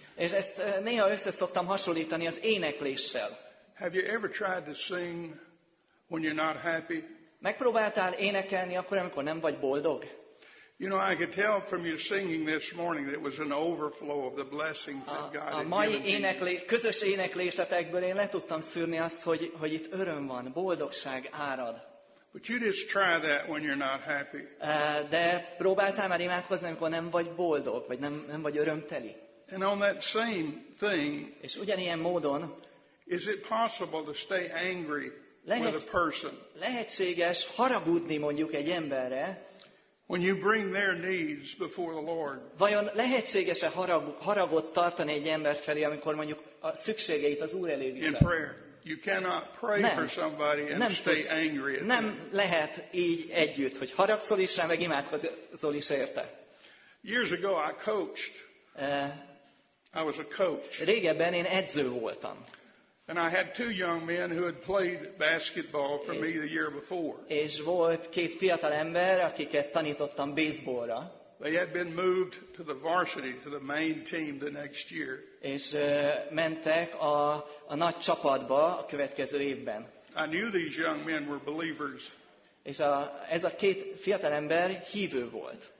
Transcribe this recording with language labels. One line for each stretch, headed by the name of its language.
Hungarian: És ezt néha össze szoktam hasonlítani az énekléssel.
English: Have you ever tried to sing when you're not happy?
Hungarian: Megpróbáltál énekelni akkor, amikor nem vagy boldog?
English: You know, I could tell from your singing this morning that it was an overflow of the blessings that God had given you.
Hungarian: A mai közös éneklésetekből én le tudtam szűrni azt, hogy itt öröm van, boldogság árad.
English: But you just try that when you're not happy.
Hungarian: De próbáltál már imádkozni, amikor nem vagy boldog, vagy nem vagy örömteli?
English: And on that same thing,
Hungarian: és ugyanilyen módon,
English: is it possible to stay angry with a person?
Hungarian: Lehetséges haragudni mondjuk egy emberre?
English: When you bring their needs before the Lord.
Hungarian: Vajon lehetséges-e haragot tartani egy ember felé, amikor mondjuk a szükségeit az Úr elé viszed?
English: In prayer. You cannot pray for somebody and stay angry at them.
Hungarian: Nem lehet így együtt, hogy haragszol is rá, meg imádkozol is érte.
English: Years ago I coached. I was a coach.
Hungarian: Régebben én edző voltam.
English: And I had two young men who had played basketball for me the year before.
Hungarian: És volt két fiatal ember, akiket tanítottam baseballra.
English: They had been moved to the varsity, to the main team the next year.
Hungarian: És mentek a nagy csapatba a következő évben.
English: I knew these young men were believers.
Hungarian: És ez a két fiatal ember hívő volt.